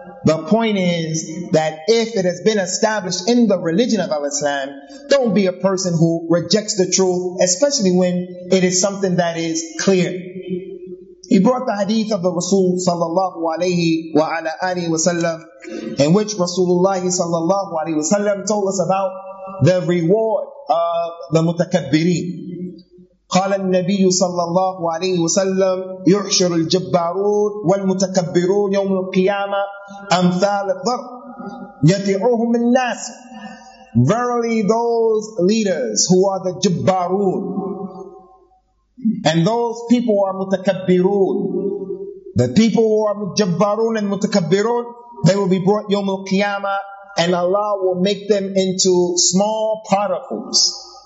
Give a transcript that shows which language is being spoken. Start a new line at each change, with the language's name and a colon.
English: The point is that if it has been established in the religion of al-Islam, don't be a person who rejects the truth, especially when it is something that is clear. He brought the hadith of the Rasul sallallahu alayhi wa ala alihi wasallam, in which Rasulullah sallallahu alayhi wasallam told us about the reward of the mutakabbirin.
Arabic: قال النبي صلى الله عليه وسلم يحشر الجبارون والمتكبرون يوم القيامة أمثال الضر يتعوهم الناس.
English: Verily those leaders who are the jabbarun, and those people who are mutakabbirun, the people who are jabbarun and mutakabbirun, they will be brought يوم القيامة, and Allah will make them into small particles.